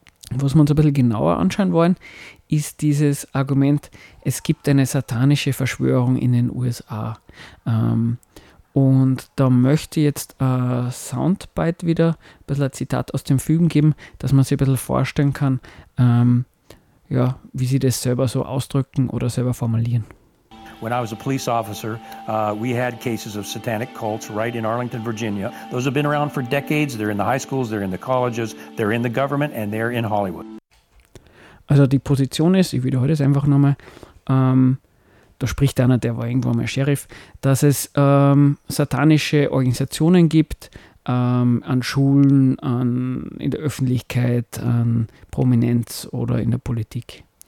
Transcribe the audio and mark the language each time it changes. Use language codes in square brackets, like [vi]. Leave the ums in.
[de] Was wir uns ein bisschen genauer anschauen wollen, ist dieses Argument, es gibt eine satanische Verschwörung in den USA. Ähm, und da möchte ich jetzt äh, Soundbite wieder, ein bisschen ein Zitat aus dem Film geben, dass man sich ein bisschen vorstellen kann, ähm, ja, wie sie das selber so ausdrücken oder selber formulieren. [en] When I was a police officer, uh, we had cases of satanic cults right in Arlington, Virginia. Those have been around for decades. They're in the high schools, they're in the colleges, they're in the government, and they're in Hollywood. [de] Also die Position ist, ich wiederhole es einfach nochmal, ähm, da spricht einer, der war irgendwo mal Sheriff, dass es ähm, satanische Organisationen gibt, ähm, an Schulen, an, in der Öffentlichkeit, an Prominenz oder in der Politik.